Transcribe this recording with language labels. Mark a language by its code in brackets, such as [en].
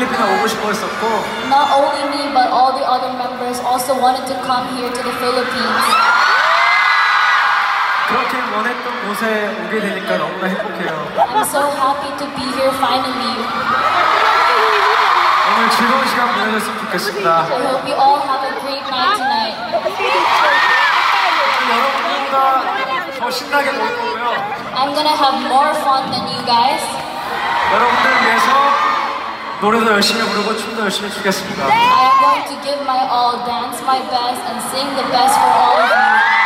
[en] Not only me, but all the other members also wanted to come here to the Philippines. [ko] 그렇게 원했던 곳에 오게 되니까 너무나 행복해요. [en] I'm so happy to be here finally. [ko] 오늘 즐거운 시간 보내셨으면 좋겠습니다. [en] I hope you all have a great night tonight. [ko] 여러분보다 더 신나게 놀 거고요. [en] I'm gonna have more fun than you guys. [ko] 여러분들 위해서 노래도 열심히 부르고 춤도 열심히 추겠습니다. [en] I am going to give my all, dance my best, and sing the best for all of you.